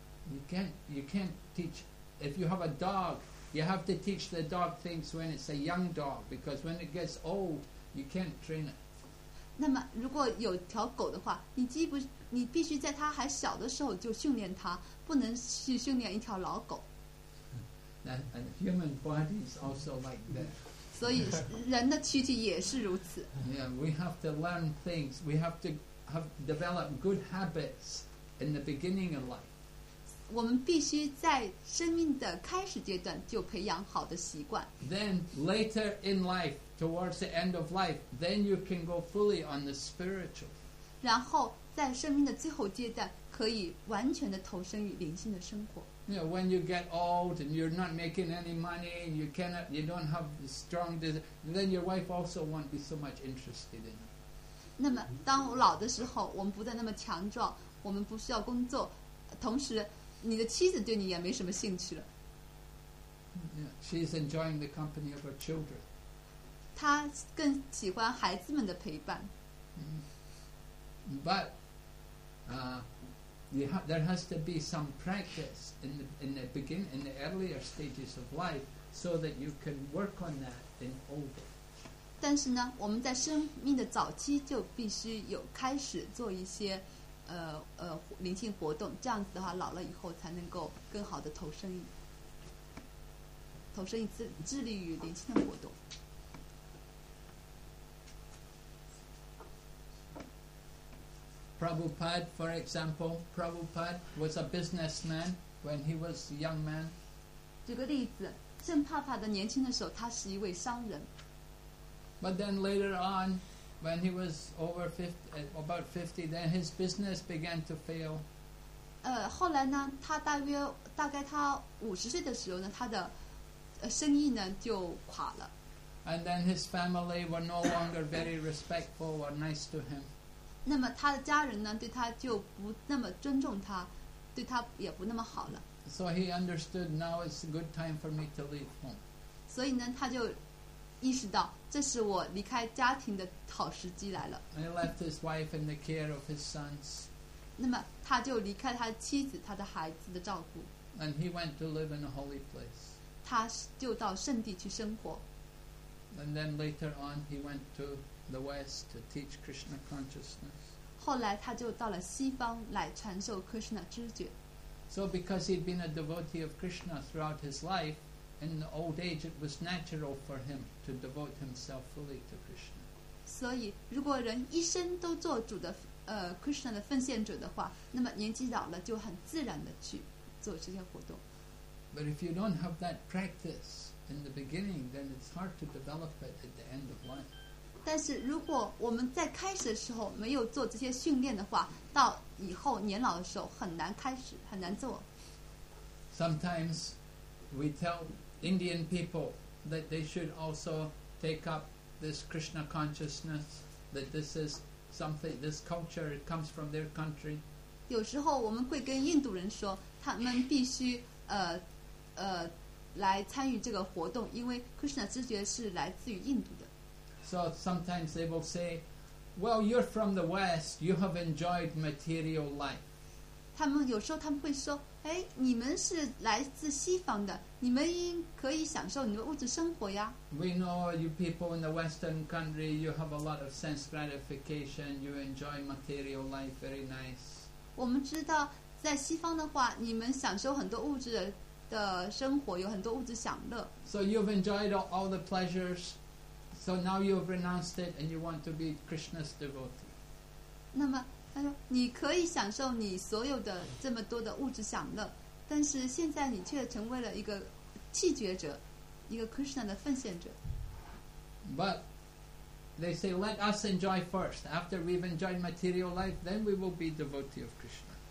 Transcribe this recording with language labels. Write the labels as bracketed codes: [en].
[en] You can't teach. If you have a dog, you have to teach the dog things when it's a young dog, because when it gets old, you can't train it. [zh] 那么如果有条狗的话，你必须在它还小的时候就训练它，不能去训练一条老狗。 [en] And human body is also like that. [zh] 所以人的躯体也是如此。 [en] Yeah, we have to learn things. We have to develop good habits in the beginning of life. [zh] 我们必须在生命的开始阶段就培养好的习惯。 [en] Then later in life, towards the end of life, then you can go fully on the spiritual. [zh] 然后在生命的最后阶段，可以完全的投身于灵性的生活。 [en] You know, when you get old and you're not making any money, and you don't have strong desire, then your wife also won't be so much interested in you. [zh] 那么当我老的时候，我们不再那么强壮，我们不需要工作，同时。你的妻子对你也没什么兴趣了。 [en] Yeah, she's enjoying the company of her children. [zh] 她更喜欢孩子们的陪伴。 [en] But, there has to be some practice in the earlier stages of life, so that you can work on that in old age. [zh] 但是呢，我们在生命的早期就必须有开始做一些。灵性活动，这样子的话，老了以后才能够更好的投身于致力于灵性的活动。 [en] Prabhupada, for example, Prabhupada was a businessman when he was a young man. [zh] 举个例子，圣帕帕的年轻的时候，他是一位商人。 [en] But then later on. When he was over 50, about 50, then his business began to fail. [zh] 后来呢，他大概他五十岁的时候呢，他的生意呢就垮了。 [en] And then his family were no longer very respectful or nice to him. [zh] 那么他的家人呢，对他就不那么尊重他，对他也不那么好了。 [en] So he understood now it's a good time for me to leave home. [zh] 所以呢，他就意识到这是我离开家庭的好时机来了。 [en] And he left his wife in the care of his sons. [zh] 那么他就离开他的妻子、他的孩子的照顾。 [en] And he went to live in a holy place. [zh] 他就到圣地去生活。 [en] And then later on, he went to the West to teach Krishna consciousness. [zh] 后来他就到了西方来传授 Krishna 知觉。 [en] So because he'd been a devotee of Krishna throughout his life, in the old age it was natural for him to devote himself fully to Krishna. [zh] 所以如果人一生都做主的Krishna 的奉献者的话，那么年纪老了就很自然的去做这些活动。 [en] But if you don't have that practice in the beginning, then it's hard to develop it at the end of life. [zh] 但是如果我们在开始的时候没有做这些训练的话，到以后年老的时候很难开始，很难做。 [en] Sometimes we tell Indian people that they should also take up this Krishna consciousness, that this is something, this culture, it comes from their country. [zh] 有时候我们会跟印度人说，他们必须来参与这个活动，因为 Krishna 知觉是来自于印度的。 [en] So sometimes they will say, well, you're from the West, you have enjoyed material life. [zh] 他们有时候他们会说，哎，你们是来自西方的，你们可以享受你们物质生活呀。 [en] We know you people in the Western country, you have a lot of sense gratification, you enjoy material life very nice. [zh] 我们知道在西方的话，你们享受很多物质的生活，有很多物质享乐。 [en] So you've enjoyed all the pleasures. So now you have renounced it and you want to be Krishna's devotee. [zh] 那么他说你可以享受你所有的这么多的物质享乐，但是现在你却成为了一个弃绝者，一个 Krishna 的奉献者。 [en] But they say, let us enjoy first. After we've enjoyed material life, then we will be devotee of Krishna.